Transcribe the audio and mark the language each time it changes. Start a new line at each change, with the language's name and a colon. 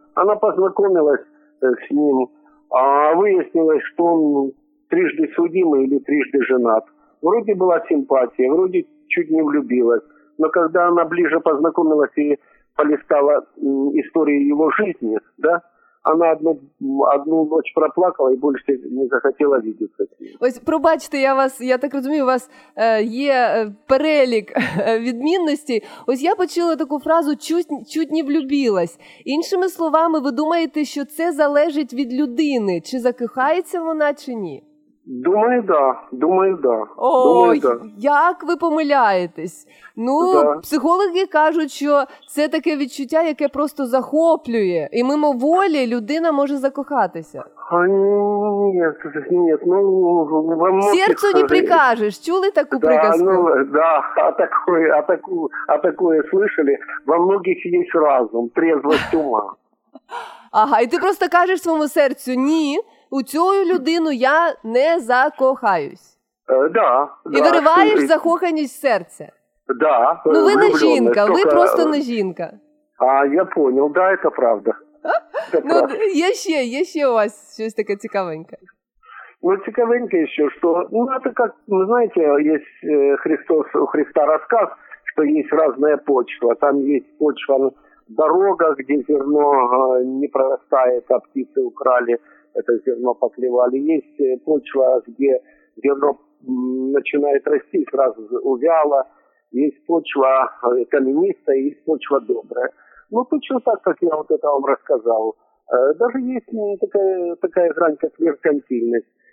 Ukrainian: Вона познайомилась з ним, а вияснилось, що він трижди судимий або трижди женат. Вроді була симпатія, вроді чуть не влюбилась. Но коли вона ближе познайомилась і полистала історію його життя, да?
Russian: Она одну ночь проплакала и больше не захотела видеться с ним.
Ukrainian: Ось, пробачте, я так розумію, у вас є перелік відмінностей. Ось я почула таку фразу
Russian: «чуть не влюбилась».
Ukrainian: Іншими словами, ви думаєте, що це залежить від людини? Чи закохається вона, чи ні? Думаю, да. Як ви помиляєтесь? Ну, да. Психологи кажуть, що це таке відчуття, яке просто захоплює. І мимоволі людина може закохатися. Ні, ну, вам можна... Серцю не прикажеш, чули таку приказку? Так, таке слышали.
Russian: Во многих є разом, трезвость ума.
Ukrainian: Ага, і ти просто кажеш своєму серцю «ні». У цю людину я не закохаюсь. Да. І вириваєш закоханість в серце. Да. Ну ви не жінка, ви просто не жінка.
Russian: А, я понял, да,
Ukrainian: це правда. Ну, є ще у вас щось таке цікавеньке. Ну, цікавеньке ще, що, ну, це як, ви знаєте, є Христос, у Христа розказ, що є різна почва. Там є почва, дорога, де зерно не проростає, а птиці украли.
Russian: Это зерно поклевали. Есть почва, где зерно начинает расти, сразу увяло. Есть почва каменистая, есть почва добрая. Ну, точно так, как я вот это вам рассказал. Даже есть такая грань, как меркантильность.